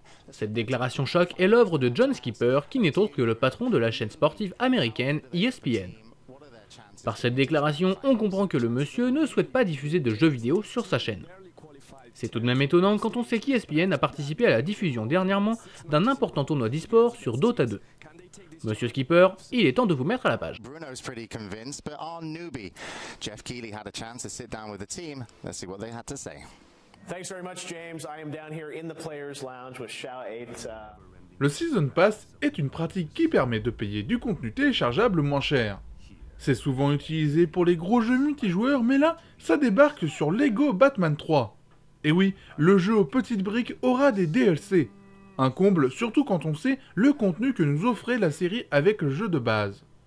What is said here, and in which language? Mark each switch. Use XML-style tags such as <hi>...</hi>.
<fr>Cette déclaration choc est l'œuvre de John Skipper, qui n'est autre que le patron de la chaîne sportive américaine ESPN. Par cette déclaration, on comprend que le monsieur ne souhaite pas diffuser de jeux vidéo sur sa chaîne. C'est tout de même étonnant quand on sait qu'ESPN a participé à la diffusion dernièrement d'un important tournoi d'e-sport sur Dota 2. Monsieur Skipper, il est temps de vous mettre à la page.</fr> <en>Bruno's pretty convinced, but our newbie, Jeff Keighley, had a chance to sit down with the team. Let's see what they had to say. Thanks very much, James. I am down here in the players' lounge with Shout 8.</en> <fr>Le Season Pass est une pratique qui permet de payer du contenu téléchargeable moins cher. C'est souvent utilisé pour les gros jeux multijoueurs, mais là, ça débarque sur Lego Batman 3. Et oui, le jeu aux petites briques aura des DLC. Un comble, surtout quand on sait le contenu que nous offrait la série avec le jeu de base.</fr>